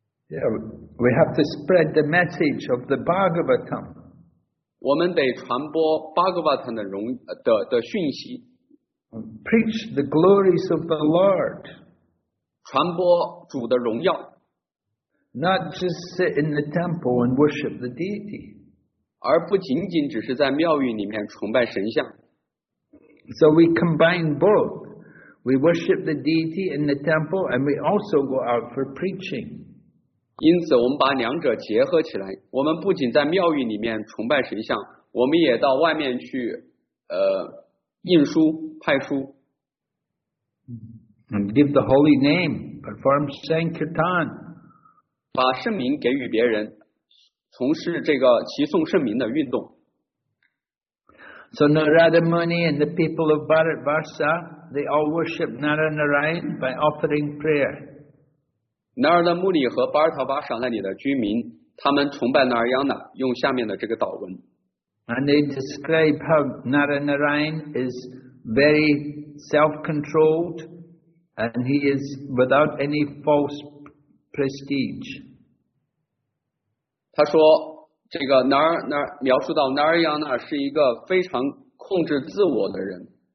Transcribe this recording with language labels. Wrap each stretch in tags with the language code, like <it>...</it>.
<en>Yeah, we have to spread the message of the Bhagavatam.</en> <zh>我们得传播 Bhagavatam 的讯息。</zh> <en>Preach the glories of the Lord.</en> <zh>传播主的荣耀。</zh> <en>Not just sit in the temple and worship the deity.</en> <zh>而不仅仅只是在庙宇里面崇拜神像。</zh> <en>So we combine both. We worship the deity in the temple, and we also go out for preaching.</en> <zh>因此我们把两者结合起来，我们不仅在庙宇里面崇拜神像，我们也到外面去印书派书。</zh> <en>And give the holy name, perform Sankirtan.</en> <zh>把圣名给予别人，从事这个齐颂圣名的运动。</zh> <en>So Narada Muni and the people of Bharatvarsha, they all worship Naranarayan by offering prayer.</en> <zh>那儿的穆里和巴尔塔巴沙那里的居民，他们崇拜那儿央纳，用下面的这个祷文。</zh> <en>And they describe how Naranarayan is very self-controlled, and he is without any false prestige.</en> <zh>他说，这个描述到那儿央纳是一个非常控制自我的人。</zh>